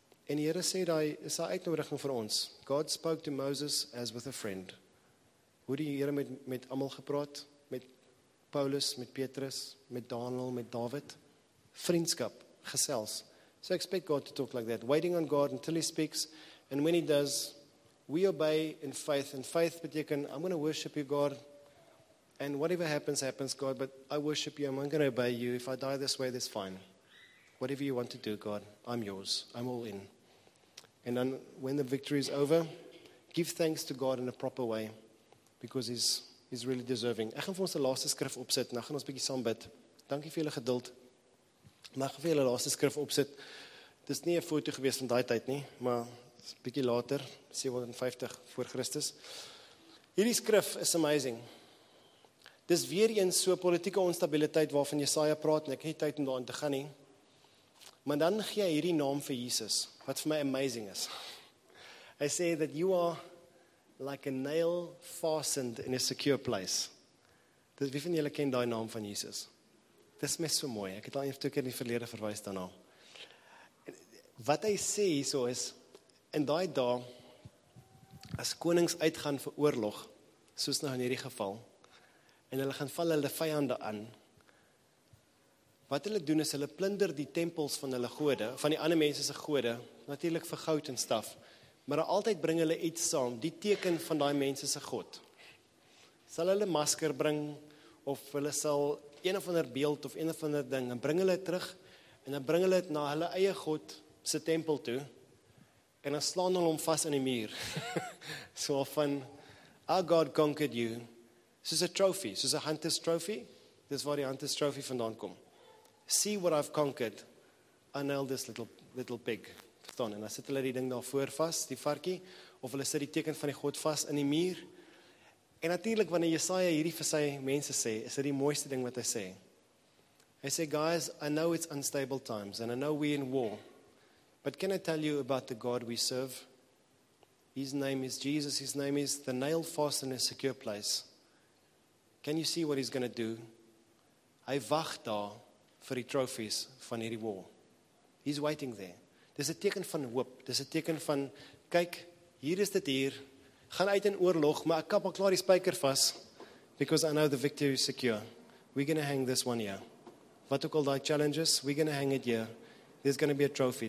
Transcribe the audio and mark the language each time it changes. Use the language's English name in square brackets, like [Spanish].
[Afrikaans] En die Here sê daai is 'n uitnodiging vir ons. [English] God spoke to Moses as with a friend. [Afrikaans] Hoe die Here met almal gepraat, met Paulus, met Petrus, met Daniel, met David. Vriendskap, gesels. [English] So expect God to talk like that, waiting on God until he speaks, and when he does, we obey in faith, and faith beteken, I'm going to worship you, God, and whatever happens, happens, God, but I worship you, I'm going to obey you, if I die this way, that's fine. Whatever you want to do, God, I'm yours, I'm all in. And then when the victory is over, give thanks to God in a proper way, because he's really deserving. [Afrikaans] Ek gaan vir ons die laaste skrif opsit, en dan gaan ons 'n bietjie saam bid. Dankie vir julle geduld. Mag vir julle laaste skrif opsit. Dis nie 'n foto gewees van daai tyd nie, maar dis 'n bietjie later, 750 voor Christus. Hierdie skrif is amazing. Dis weer eens so politieke onstabiliteit waarvan Jesaja praat en ek het nie tyd om daarin te gaan nie. Maar dan gee hy hierdie naam vir Jesus, wat vir my amazing is. Hy sê [English] that you are like a nail fastened in a secure place. [Afrikaans] Dis wie van julle ken daai naam van Jesus? Dis mes so mooi. Ek het al eers 2 keer in die verlede verwys daarna. Wat hy sê hierso is, in daai dae, as konings uitgaan vir oorlog, soos nou in hierdie geval, en hulle gaan val hulle vyande aan, wat hulle doen is, hulle plunder die tempels van hulle gode, van die ander mense se gode, natuurlik vir goud en staf, maar altyd bring hulle iets saam, die teken van daai mense se god. Sal hulle masker bring, of hulle sal een of ander beeld of een of ander ding, en bring hulle terug, en dan bring hulle het na hulle eie God se tempel toe, en dan slaan hulle hom vas in die muur. So van, [English] our God conquered you, [Afrikaans] soos 'n trophy, soos 'n hunter's trophy, dis waar die hunter's trophy vandaan kom. [English] See what I've conquered, I nail this little pig. [Afrikaans] Thon, en dan sit hulle die ding daarvoor vas, die varkie, of hulle sit die teken van die God vas in die muur, en natuurlik, wanneer Jesaja hierdie vir sy mense sê, is dit die mooiste ding wat hy sê. Hy sê, [English] guys, I know it's unstable times, and I know we're in war, but can I tell you about the God we serve? His name is Jesus, his name is the nail fast in a secure place. Can you see what he's going to do? [Afrikaans] Hy wag daar vir die trophies van hierdie war. [English] He's waiting there. [Afrikaans] Dis 'n teken van hoop, dis 'n teken van, kyk, hier is dit hier, gaan uit in oorlog, maar ek kap al klaar die spyker vas, [English] because I know the victory is secure. We're going to hang this one here. [Afrikaans] Wat ook al die challenges, [English] we're going to hang it here. There's going to be a trophy.